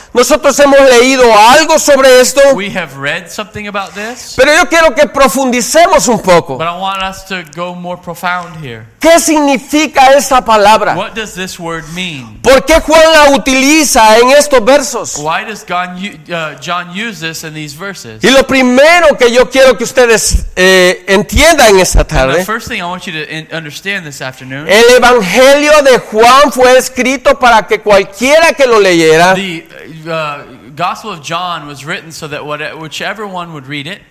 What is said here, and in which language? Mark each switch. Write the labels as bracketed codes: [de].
[es] Nosotros hemos leído algo sobre esto. [en] We have read something about this. [es] Pero yo quiero que profundicemos un poco. [en] But I want us to go more profound here. [es] ¿Qué significa esta palabra? [en] What does this word mean? [es] ¿Por qué Juan la utiliza en estos versos? [en] Why does John use this in these verses? [es] Y lo primero que yo quiero que ustedes entiendan en esta tarde. [en] The first thing I want you to understand this afternoon. [es] El evangelio de Juan fue escrito para que cualquiera que lo leyera. [en] Gospel of John was written so that whichever one would read it,